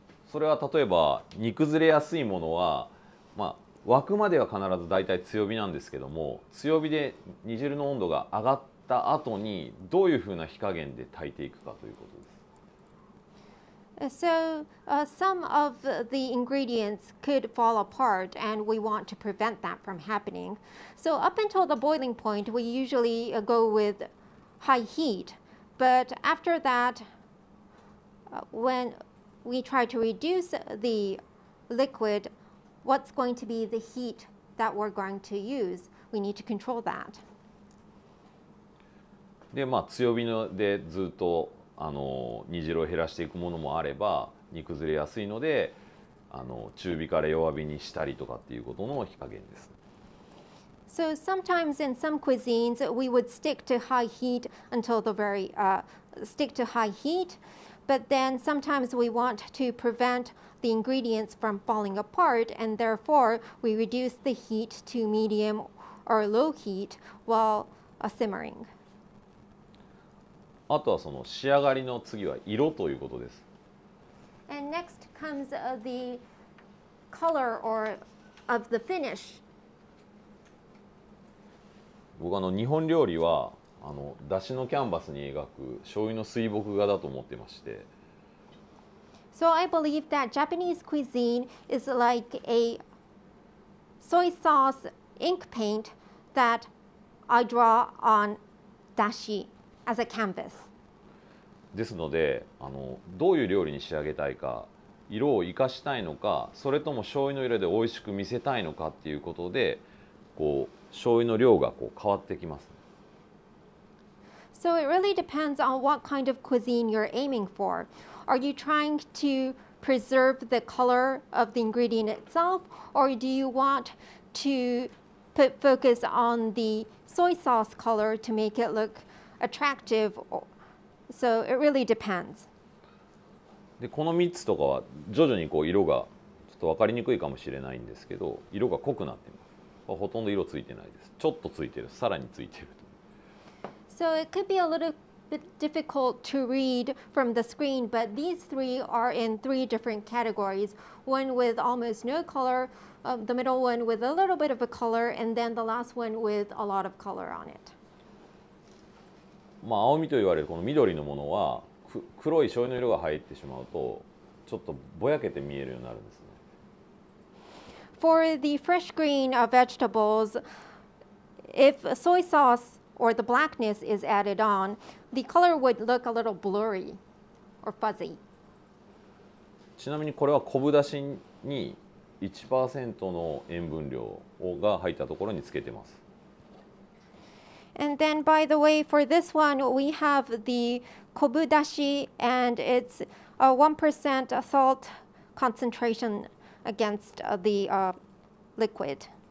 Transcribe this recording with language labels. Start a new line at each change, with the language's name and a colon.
Japanese: それは例えば煮崩れやすいものは、まあ、沸くまでは必ずだいたい強火なんですけども強火で煮汁の温度が上がった後にどういうふうな火加減で炊いていくかということです。
English: So, some of the ingredients could fall apart and we want to prevent that from happening. So, up until the boiling point, we usually go with high heat. But after that, whenWe try to reduce the liquid. What's going to be the heat that we're going to use? We need to control that.
Japanese: で、まあ強火でずっと煮汁を減らしていくものもあれば、煮崩れやすいので、中火から弱火にしたりとかっていうことの火加減です。
English: So sometimes in some cuisines we would stick to high heat until the very stick to high heat. But then sometimes we want to prevent the ingredients from falling apart, and therefore we reduce the heat to medium or low heat while simmering.
Japanese: あとはその仕上がりの次は色ということです。
English: And next comes the color or of the finish.
Japanese: 僕日本料理は出汁のキャンバスに描く醤油の水墨画だと思ってまして。
English: So I believe that Japanese cuisine is like a soy sauce ink paint that I draw on dashi as a canvas.
Japanese: ですので、どういう料理に仕上げたいか、色を生かしたいのか、それとも醤油の色で美味しく見せたいのかっていうことで、こう醤油の量がこう変わってきます。
English: So it really depends on what kind of cuisine you're aiming for. Are you trying to preserve the color of the ingredient itself, or do you want to put focus on the soy sauce color to make it look attractive? So it really depends.
Japanese: で、この3つとかは徐々にこう色がちょっと分かりにくいかもしれないんですけど、色が濃くなってます。ほとんど色ついてないです。ちょっとついてる、さらについてる。
English: So it could be a little bit difficult to read from the screen, but these three are in three different categories. One with almost no color, the middle one with a little bit of a color, and then the last one with a lot of color on it.
Japanese: まあ青みと言われるこの緑のものは黒い醤油の色が入ってしまうとちょっとぼやけて見えるようになるんですね。
English: For the fresh green vegetables, if soy sauce or the blackness is added on, the color would look a little blurry or fuzzy.
Japanese: ちなみにこれは昆布だしに 1% の塩分量が入ったところにつけてます。
English: And then, by the way, for this one, we have the kobu dashi, and it's a 1% salt concentration against the liquid.